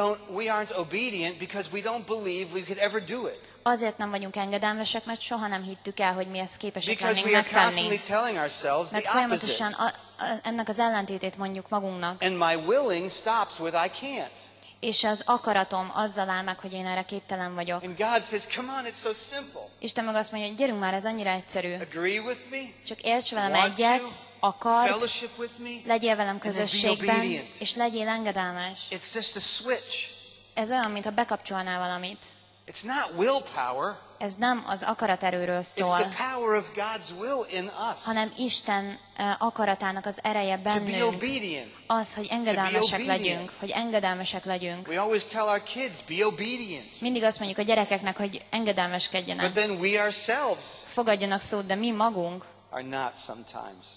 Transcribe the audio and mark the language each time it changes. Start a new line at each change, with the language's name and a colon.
English: we aren't obedient because we don't believe we could ever do it.
Hungarian: Azért nem vagyunk engedelmesek, mert soha nem hittük el, hogy mi ezt képesek
English: because
Hungarian: lennénk megtenni.
English: Because we are constantly telling ourselves
Hungarian: mert
English: the opposite.
Hungarian: Ennek az ellentétét mondjuk magunknak.
English: And my willing stops with I can't.
Hungarian: És az akaratom azzal áll meg, hogy én erre képtelen vagyok.
English: And God says, come on, it's so simple.
Hungarian: Isten meg azt mondja, hogy gyerünk már, ez annyira egyszerű.
English: Agree with me?
Hungarian: Csak érts velem egyet. Akard,
English: fellowship with me,
Hungarian: legyél velem közösségben, és legyél engedelmes.
English: It's just a switch.
Hungarian: Ez olyan, mintha bekapcsolnál valamit.
English: It's not willpower.
Hungarian: Ez nem az akaraterőről szól.
English: It's the power of God's will in us.
Hungarian: Hanem Isten akaratának az ereje bennünk.
English: To be obedient.
Hungarian: Az, hogy engedelmesek legyünk, hogy engedelmesek legyünk.
English: We always tell our kids, be obedient.
Hungarian: Mindig azt mondjuk a gyerekeknek, hogy engedelmeskedjenek.
English: But then we ourselves.
Hungarian: Fogadjanak szót, de mi magunk.
English: Are not sometimes.